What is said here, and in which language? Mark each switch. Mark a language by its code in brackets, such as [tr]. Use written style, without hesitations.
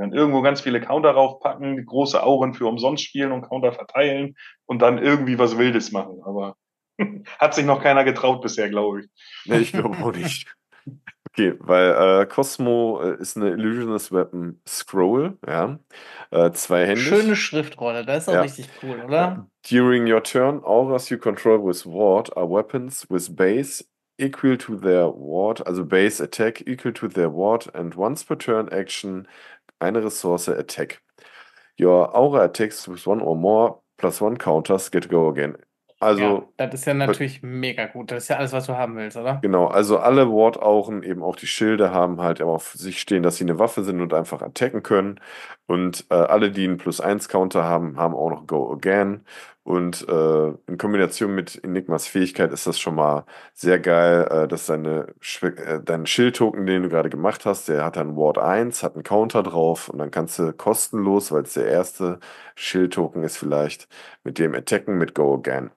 [de] Und dann irgendwo ganz viele Counter raufpacken, große Auren für umsonst spielen und Counter verteilen und dann irgendwie was Wildes machen. Aber hat sich noch keiner getraut bisher, glaube Ne, ich glaube auch nicht. Okay, weil Cosmo ist eine Illusionist Weapon Scroll, ja, Schöne zweihändig. Schriftrolle, das ist auch Ja, richtig cool, oder? [en] during your turn, auras you control with ward are weapons with base equal to their ward, also base attack equal to their ward and once per turn action [de] eine Ressource [en] attack. Your aura attacks with one or more plus one counters get go again. [de] Ja, Also das ist ja natürlich mega gut. Das ist ja alles, was du haben willst, oder? genau, also alle Ward-Auren, eben auch die Schilde, haben halt immer auf sich stehen, dass sie eine Waffe sind und einfach attacken können. Und alle, die einen Plus-1-Counter haben, haben auch noch Go Again. Und in Kombination mit Enigmas Fähigkeit ist das schon mal sehr geil, dass dein Schild-Token, den du gerade gemacht hast, der hat dann Ward 1, hat einen Counter drauf und dann kannst du kostenlos, weil es der erste Schild-Token ist, vielleicht mit dem attacken mit Go Again.